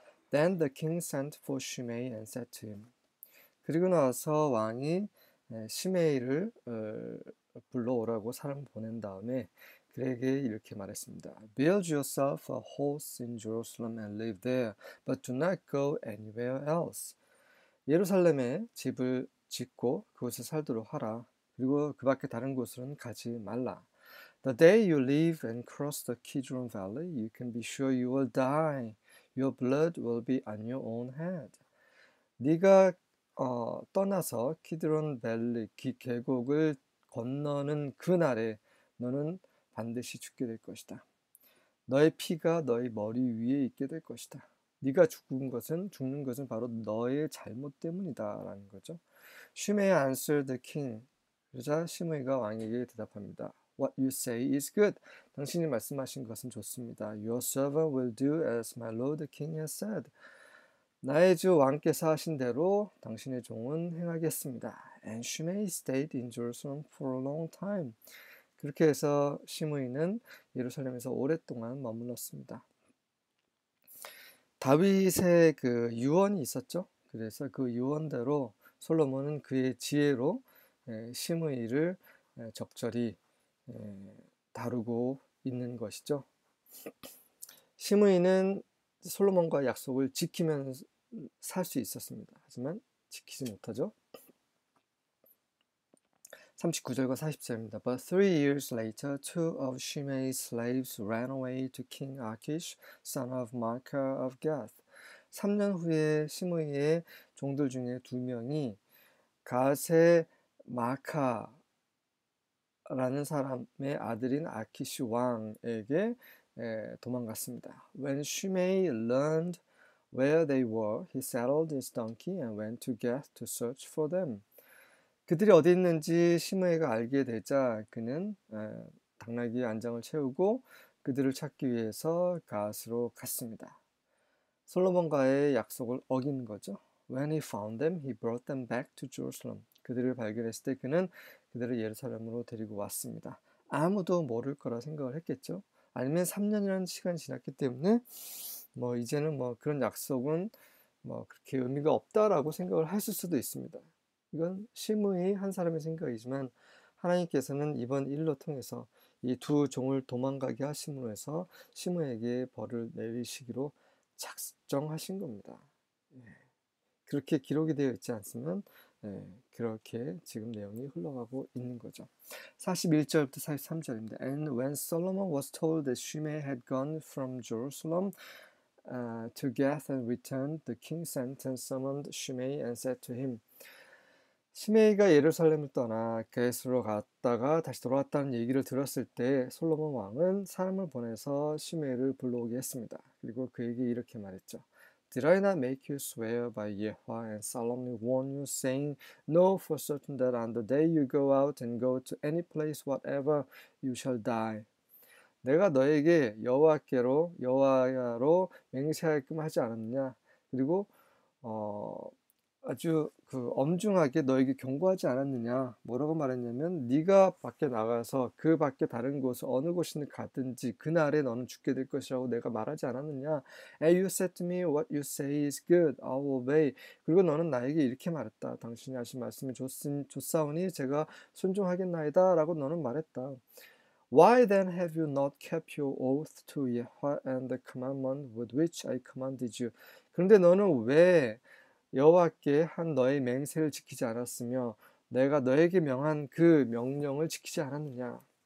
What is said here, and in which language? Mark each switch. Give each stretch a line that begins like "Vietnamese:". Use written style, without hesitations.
English: Then the king sent for Shimei and said to him.
Korean: 그리고 나서 왕이 시메이를 불러오라고 사람 보낸 다음에 그에게 이렇게 말했습니다.
English: Build yourself a house in Jerusalem and live there, but do not go anywhere else.
Korean: 예루살렘에 집을 짓고 그곳에 살도록 하라. 그리고 그 밖에 다른 곳으로는 가지 말라.
English: The day you leave and cross the Kidron Valley, you can be sure you will die. Your blood will be on your own head.
Korean: 네가 떠나서 키드론 밸리 계곡을 건너는 그날에 너는 반드시 죽게 될 것이다. 너의 피가 너의 머리 위에 있게 될 것이다. 네가 죽는 것은 바로 너의 잘못 때문이다라는 거죠.
English: Shimei answered the king.
Korean: 그러자 시므이가 왕에게 대답합니다.
English: What you say is good.
Korean: 당신이 말씀하신 것은 좋습니다.
English: Your servant will do as my lord the king has said.
Korean: 나의 주 왕께서 하신 대로 당신의 종은 행하겠습니다.
English: And Shimei stayed in Jerusalem for a long time.
Korean: 그렇게 해서 시므이는 예루살렘에서 오랫동안 머물렀습니다. 다윗의 그 유언이 있었죠. 그래서 그 유언대로 솔로몬은 그의 지혜로 시므이를 적절히 다루고 있는 것이죠. 시므이는 솔로몬과 약속을 지키면서 살수 있었습니다. 하지만 지키지 못하죠. 39절과 40절입니다.
English: But 3 years later, two of Shimei's slaves ran away to King Achish, son of Maacah of Gath.
Korean: 3년 후에 시므이의 종들 중에 두 명이 갓의 마카라는 사람의 아들인 아키시 왕에게 도망갔습니다.
English: When Shimei learned where they were, he saddled his donkey and went to Gath to search for them.
Korean: 그들이 어디 있는지 시므이가 알게 되자 그는 당나귀에 안장을 채우고 그들을 찾기 위해서 갓으로 갔습니다. 솔로몬과의 약속을 어긴 거죠.
English: When he found them, he brought them back to Jerusalem.
Korean: 그들을 발견했을 때 그는 그들을 예루살렘으로 데리고 왔습니다. 아무도 모를 거라 생각을 했겠죠. 아니면 3년이라는 시간이 지났기 때문에 뭐 이제는 뭐 그런 약속은 뭐 그렇게 의미가 없다라고 생각을 했을 수도 있습니다. 이건 시므이 한 사람의 생각이지만 하나님께서는 이번 일로 통해서 이두 종을 도망가게 하심으로 해서 시므이에게 벌을 내리시기로 작정하신 겁니다. 그렇게 기록이 되어 있지 않으면 그렇게 지금 내용이 흘러가고 있는 거죠. 41절부터 43절입니다.
English: And when Solomon was told that Shimei had gone from Jerusalem to Gath and returned, the king sent and summoned Shimei and said to him,
Korean: 시메이가 예루살렘을 떠나 게스로 갔다가 다시 돌아왔다는 얘기를 들었을 때 솔로몬 왕은 사람을 보내서 시메이를 불러오게 했습니다. 그리고 그에게 이렇게 말했죠.
English: Did I not make you swear by Yehovah and solemnly warn you, saying, Know for certain that on the day you go out and go to any place whatever, you shall die.
Korean: 내가 너에게 여호와로 맹세하게끔 하지 않았느냐? 그리고 아주 그 엄중하게 너에게 경고하지 않았느냐? 뭐라고 말했냐면 네가 밖에 나가서 그 밖에 다른 곳을 어느 곳이든 가든지 그날에 너는 죽게 될 것이라고 내가 말하지 않았느냐?
English: And you said to me, what you say is good, I will obey.
Korean: 그리고 너는 나에게 이렇게 말했다. 당신이 하신 말씀이 좋사오니 제가 순종하겠나이다라고 너는 말했다.
English: Why then have you not kept your oath to Yehovah and the commandment with which I commanded you?
Korean: 그런데 너는 왜 여호와께 한 너의 맹세를 지키지 않았으며 내가 너에게 명한 그 명령을 지키지 않았느냐?